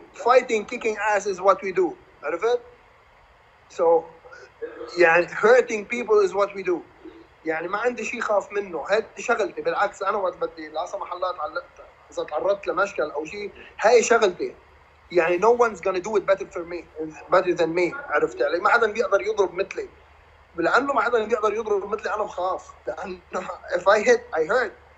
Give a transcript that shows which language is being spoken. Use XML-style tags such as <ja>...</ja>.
<en>Fighting, kicking ass is what we do.</en> <ar>عرفت؟</ar> <en>So,</en> <ar>يعني</ar> <en>hurting people is what we do.</en> <ar>يعني ما عندي شيء خاف منه. هاد شغلتي. بالعكس أنا وقت بدي لا سمح الله تعلقت إذا تعرضت لمشكل أو شيء هاي شغلتي. يعني</ar> <en>no one's gonna do it better for me, better than me.</en> <ar>عرفت علي؟ ما حدا بيقدر يضرب مثلي. لأنه ما حدا بيقدر يضرب مثلي أنا بخاف. لأنه</ar> <en>if I hit, I hurt.</en>